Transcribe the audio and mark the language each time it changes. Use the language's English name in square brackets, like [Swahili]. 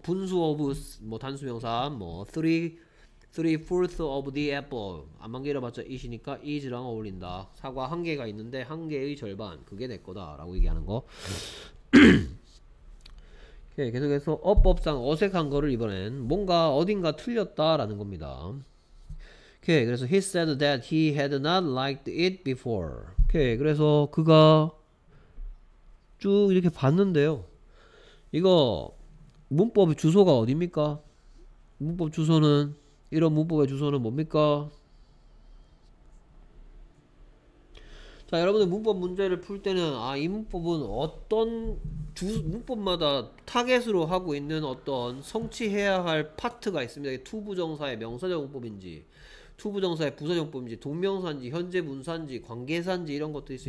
[Korean] 분수 of, 뭐 단수명사, 뭐 [English] three-fourths of the apple. [Korean] 안만 길어봤자 is니까 is랑 어울린다. 사과 한 개가 있는데 한 개의 절반. 그게 내 거다라고 얘기하는 거. 오케이, 계속해서 어법상 어색한 거를 이번엔 뭔가 어딘가 틀렸다라는 겁니다. 오케이, 그래서 [English] he said that he had not liked it before. [Korean] 오케이, 그래서 그가 쭉 이렇게 봤는데요. 이거 문법의 주소가 어딥니까? 문법 주소는 이런 문법의 주소는 뭡니까? 자, 여러분들 문법 문제를 풀 때는 아, 이 문법은 어떤 문법마다 타겟으로 하고 있는 어떤 성취해야 할 파트가 있습니다. 이게 투부정사의 명사정법인지, 투부정사의 부사정법인지, 동명사인지, 현재 분사인지, 관계사인지 이런 것들이 있어.